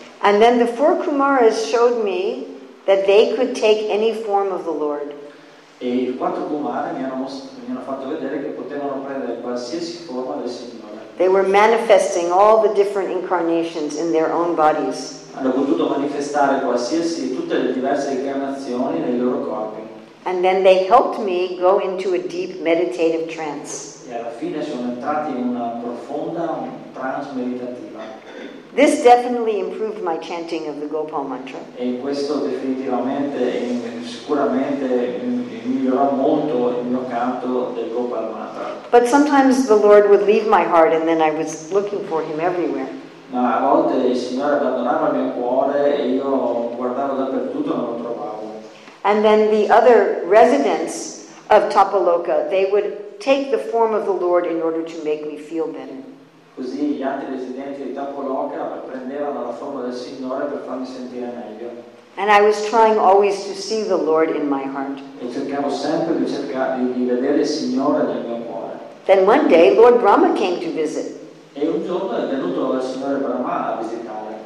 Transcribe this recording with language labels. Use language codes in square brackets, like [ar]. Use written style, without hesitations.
[en] And then the four Kumaras showed me that they could take any form of the Lord. [it] E i quattro Kumara mi hanno fatto vedere che potevano prendere qualsiasi forma del Signore. [en] They were manifesting all the different incarnations in their own bodies. [it] Hanno potuto manifestare tutte le diverse incarnazioni nei loro corpi. [en] And then they helped me go into a deep meditative trance. [it] E alla fine sono entrati in una profonda trance meditativa. [en] This definitely improved my chanting of the Gopal mantra. [it] E questo definitivamente sicuramente migliorò molto il mio canto del Gopal mantra. [en] But sometimes the Lord would leave my heart and then I was looking for him everywhere. [it] Ma a volte il Signore abbandonava il mio cuore e io guardavo dappertutto e non lo trovavo. [en] And then the other residents of Tapaloka, they would take the form of the Lord in order to make me feel better. [it] Così gli altri residenti di Tapaloka prendevano la forma del Signore per farmi sentire meglio. [en] And I was trying always to see the Lord in my heart. [it] E cercavo sempre di vedere il Signore nel mio cuore. [en] Then one day Lord Brahma came to visit. [it] E un giorno è venuto il Signore Brahma a visitare.